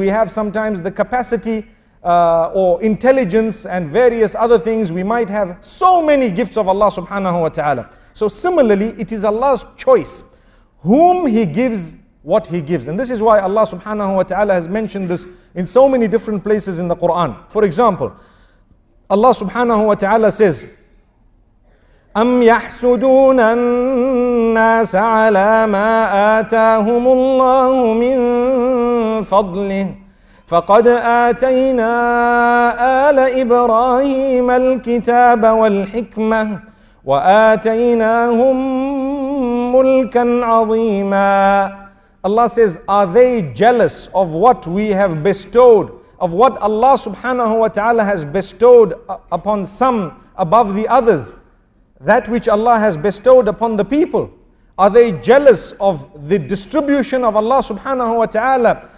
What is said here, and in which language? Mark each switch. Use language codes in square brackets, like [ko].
[en] We have sometimes the capacity or intelligence and various other things. We might have so many gifts of Allah subhanahu wa ta'ala. So similarly, it is Allah's choice whom He gives what He gives. And this is why Allah subhanahu wa ta'ala has mentioned this in so many different places in the Quran. For example, Allah subhanahu wa ta'ala says, [ar] أَمْ يَحْسُدُونَ النَّاسَ عَلَى مَا آتَاهُمُ اللَّهُ مِنْ فَضْلِهِ فَقَدْ آتَيْنَا آلَ إِبْرَاهِيمَ الْكِتَابَ وَالْحِكْمَةِ وَآتَيْنَاهُمْ مُلْكًا عَظِيمًا. [en] Allah says, are they jealous of what we have bestowed, of what Allah subhanahu wa ta'ala has bestowed upon some above the others, that which Allah has bestowed upon the people? Are they jealous of the distribution of Allah subhanahu wa ta'ala?